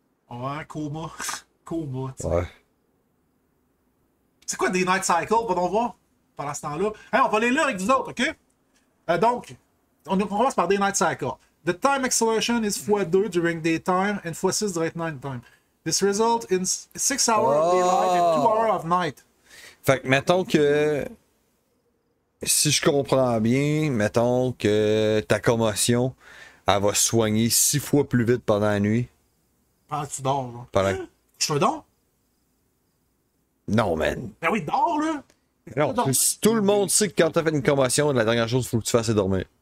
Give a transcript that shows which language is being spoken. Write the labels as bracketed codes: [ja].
[fr] Ouais, coma. Coma, tu sais. Ouais. C'est quoi des night cycles? Va donc voir pendant ce temps-là. Hey, on va aller là avec vous autres, ok? Donc, on commence par des night cycles. [en] The time acceleration is x2 during daytime and x6 during night time. This results in 6 hours of daylight and 2 hours of night. [fr] Fait que mettons que si je comprends bien, mettons que ta commotion, elle va se soigner 6 fois plus vite pendant la nuit. Pendant que tu dors, là. Pendant... Je te dors? Non, man. Ben oui, dors, là! Non, tout le monde sait que quand t'as fait une commotion, la dernière chose qu'il faut que tu fasses, c'est dormir.